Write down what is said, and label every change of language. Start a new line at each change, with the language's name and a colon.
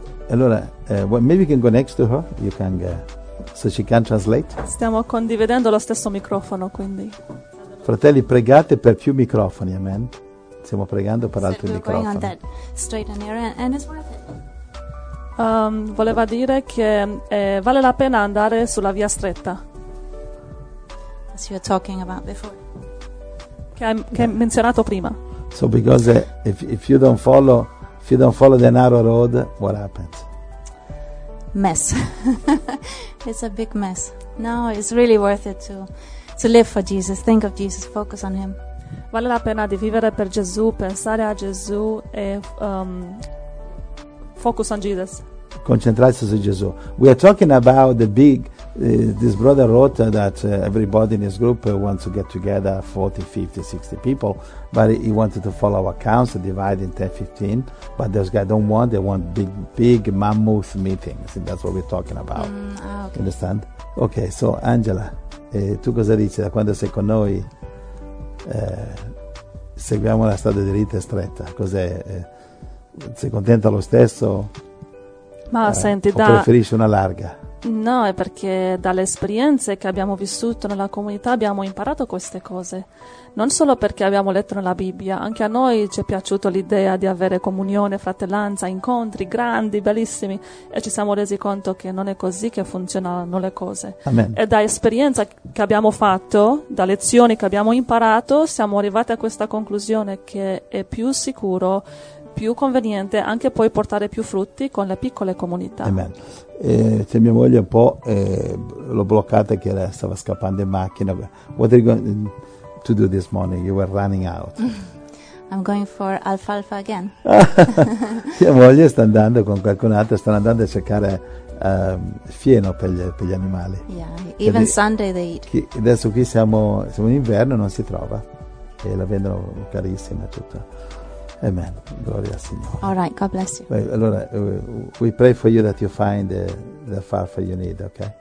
English: Allora, maybe you can go next to her. You can so she can translate.
Italian: Stiamo condividendo lo stesso microfono, quindi. Fratelli, pregate per più microfoni, amen. Stiamo pregando per altri microfoni.
English: Going on that straight and narrow, and it's worth it.
Italian: Voleva dire che vale la pena andare sulla via stretta.
English: As you were talking about before.
Italian: Che hai menzionato prima.
English: So because if you don't follow the narrow road, what happens? Mess. It's a big mess. No, it's really worth it to live for Jesus, think of Jesus, focus on him.
Italian: Vale la pena di vivere per Gesù, pensare a Gesù e
English: focus on Jesus.
Italian: Concentrarsi su Gesù.
English: We are talking about the big this brother wrote that everybody in his group wants to get together 40, 50, 60 people, but he wanted to follow our council, divide in 10, 15, but those guys don't want, they want big mammoth meetings, and that's what we're talking about. Okay. Understand? Okay, so Angela,
Italian: tu cosa dici? Da quando sei con noi seguiamo la strada dritta e stretta, cos'è? Sei contenta lo stesso? Ma senti, o preferisci una larga? No, è perché dalle esperienze che abbiamo vissuto nella comunità abbiamo imparato queste cose. Non solo perché abbiamo letto nella Bibbia, anche a noi ci è piaciuta l'idea di avere comunione, fratellanza, incontri grandi, bellissimi, e ci siamo resi conto che non è così che funzionano le cose. Amen. E da esperienza che abbiamo fatto, da lezioni che abbiamo imparato, siamo arrivati a questa conclusione che è più sicuro, più conveniente anche poi portare più frutti con le piccole comunità. Amen. C'è mia moglie un po' l'ho bloccata che era, stava scappando in macchina.
English: What are you going to do this morning? You were running out. I'm going for alfalfa again.
Italian: Mia moglie sta andando con qualcun altro, stanno andando a cercare fieno per gli animali.
English: Yeah, even perché Sunday they eat.
Italian: Adesso qui siamo in inverno, non si trova e la vendono carissima tutta. Amen. Gloria al Signore.
English: All right, God bless you. Allora, we pray for you that you find the farfa you need, okay?